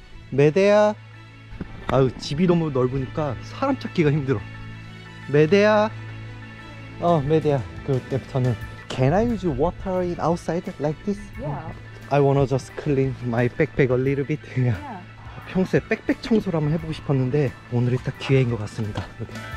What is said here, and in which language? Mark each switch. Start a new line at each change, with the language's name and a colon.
Korean: 메대야. 아유, 집이 너무 넓으니까 사람 찾기가 힘들어. 메대야. 메대야. 그때 저는
English: Can I use water in outside like this? Yeah. I wanna just clean my backpack a little bit. Yeah.
Korean: 평소에 백팩 청소를 한번 해보고 싶었는데 오늘이 딱 기회인 것 같습니다. 여기.